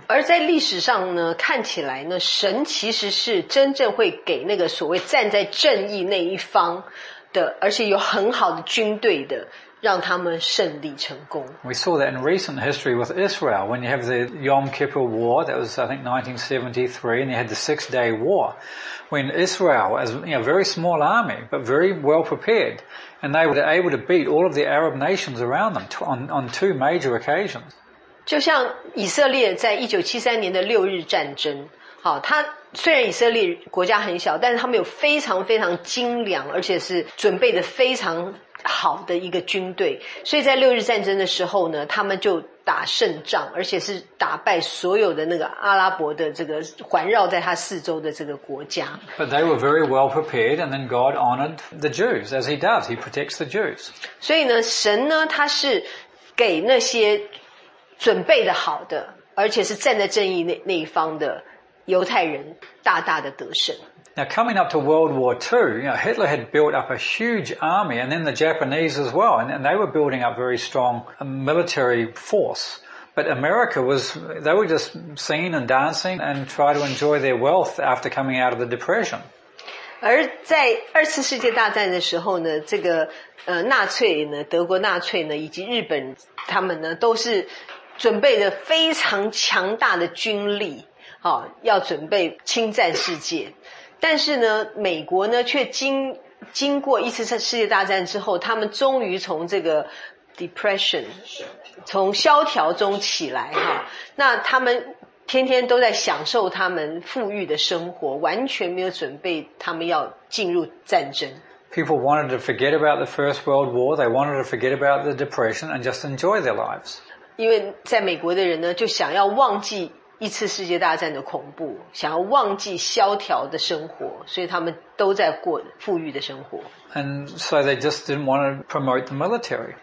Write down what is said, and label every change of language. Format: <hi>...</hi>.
<zh>而在历史上呢，看起来呢，神其实是真正会给那个所谓站在正义那一方的，而且有很好的军队的。让他们胜利成功。</zh> <en>We saw that in recent history with Israel, when you have the Yom Kippur War, that was I think 1973, and you had the Six-Day War, when Israel, as you know, a very small army, but very well prepared, and they were able to beat all of the Arab nations around them on two major occasions.</en> <zh>就像以色列在1973年的六日战争，好，他虽然以色列国家很小，但是他们有非常非常精良，而且是准备的非常好的一个军队，所以在六日战争的时候呢，他们就打胜仗，而且是打败所有的那个阿拉伯的这个环绕在他四周的这个国家。</zh> <en>But they were very well prepared, and then God honored the Jews as He does. He protects the Jews.</en> <zh>所以呢，神呢，他是给那些准备的好的，而且是站在正义那一方的犹太人，大大的得胜。</zh> <en>Now coming up to World War II, you know, Hitler had built up a huge army and then the Japanese as well, and they were building up very strong military force. But America was, they were just singing and dancing and try to enjoy their wealth after coming out of the Depression.</en> <zh>而在二次世界大战的时候呢，这个纳粹呢，德国纳粹呢，以及日本他们呢，都是准备了非常强大的军力，哦，要准备侵占世界。但是呢，美国呢却经过一次世界大战之后，他们终于从这个 depression 从萧条中起来哈。那他们天天都在享受他们富裕的生活，完全没有准备他们要进入战争。</zh> <en>People wanted to forget about the First World War. They wanted to forget about the depression and just enjoy their lives.</en> <zh>因为在美国的人呢，就想要忘记一次世界大战的恐怖，想要忘记萧条的生活，所以他们都在过富裕的生活。</zh> <en>And so they just didn't want to promote the military.</en>